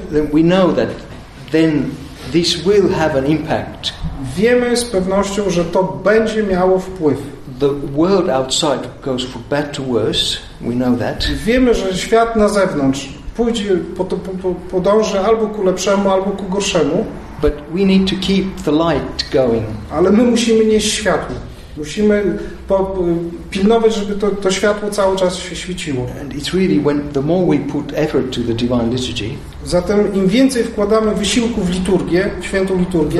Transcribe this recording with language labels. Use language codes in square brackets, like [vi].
[en] then we know that then this will have an impact. [pl] Wiemy z pewnością, że to będzie miało wpływ. [en] The world outside goes from bad to worse. We know that. [pl] Wiemy, że świat na zewnątrz pójdzie podąży albo ku lepszemu, albo ku gorszemu. [en] But we need to keep the light going. [pl] Ale my musimy nieść światło. Musimy pilnować, żeby to światło cały czas się świeciło. [en] And it's really when the more we put effort to the divine liturgy. [pl] Zatem im więcej wkładamy wysiłku w liturgię, w świętą liturgię,